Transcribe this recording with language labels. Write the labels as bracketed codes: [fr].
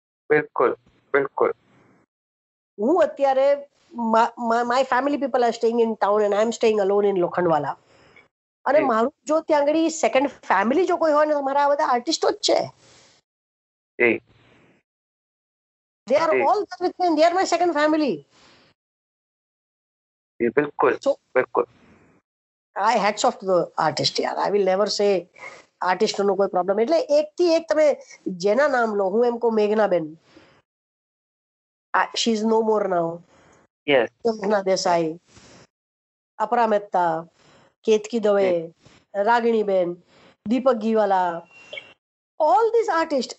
[gu] બિલકુલ બિલકુલ. હું અત્યારે [en] My family people are staying in town and I am staying alone in Lokhandwala. [gu] અને મારું જો ત્યાં આગળ સેકન્ડ ફેમિલી જો કોઈ હોય ને તો મારા આ બધા આર્ટિસ્ટો જ છે. [en] They are all there with me. They are my second family. [gu] બિલકુલ બિલકુલ. [en] I hats off to the artist yaar. I will never say artist [gu] નો કોઈ પ્રોબ્લેમ. એટલે એક થી એક તમે જેના નામ લો, હું એમ કો Meghnaben, [en] she is no more now. Yes. [gu] મેઘના Desai, Apara Mehta, Ketaki Dave, Raginiben, Deepak ગીવાલા, [en] All this artist.